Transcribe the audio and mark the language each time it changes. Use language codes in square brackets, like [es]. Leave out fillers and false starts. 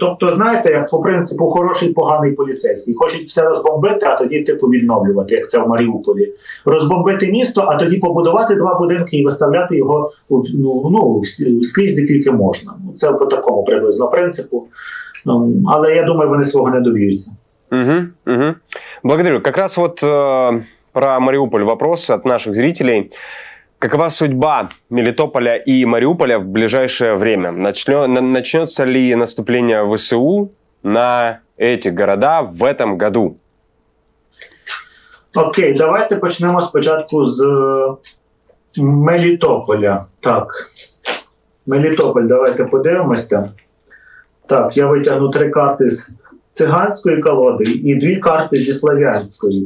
[uk] Тобто, знаєте, як по принципу хороший, поганий поліцейський. Хочуть все розбомбити, а тоді типу відновлювати, як це в Маріуполі. Розбомбити місто, а тоді побудувати два будинки і виставляти його ну, скрізь, де тільки можна. Це по такому приблизно принципу. Але я думаю, вони свого не доб'ються. [ru] Угу, угу. Благодарю. Как раз вот про Мариуполь вопрос от наших зрителей. Какова судьба Мелитополя и Мариуполя в ближайшее время? Начнется ли наступление ВСУ на эти города в этом году? [uk] Окей, давайте почнемо спочатку з Мелітополя. Так, Мелітополь, давайте подивимося. Так, я витягну три карти з циганської колоди і дві карти зі слов'янської.